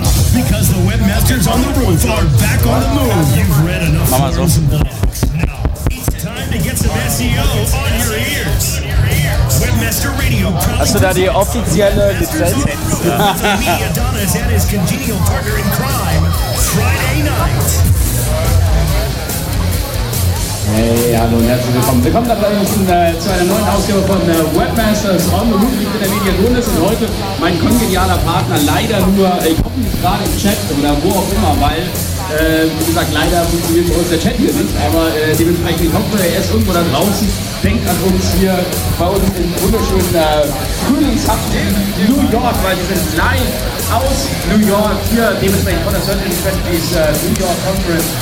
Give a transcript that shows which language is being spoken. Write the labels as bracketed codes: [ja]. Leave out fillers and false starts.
[en] Because the webmasters on the roof are back on the move. You've read enough forums and blogs. Now it's time to get some SEO on your ears. Webmaster Radio. [de] Also da die offizielle Lizenz. [en] Adonis and his congenial partner in crime. Friday night. [de] Hey, hallo und herzlich willkommen. Willkommen dabei zu einer neuen Ausgabe von Webmasters on the Roof. Ich bin der Media Grundes und heute mein kongenialer Partner, leider nur, ich gucke nicht gerade im Chat oder wo auch immer, weil, wie gesagt, leider funktioniert bei uns der Chat hier nicht, aber dementsprechend, ich hoffe, er ist irgendwo da draußen, denkt an uns hier bei uns im wunderschönen Frühlingshaft in New York, weil wir sind live aus New York, hier dementsprechend von der Sunday Strategies New York Conference.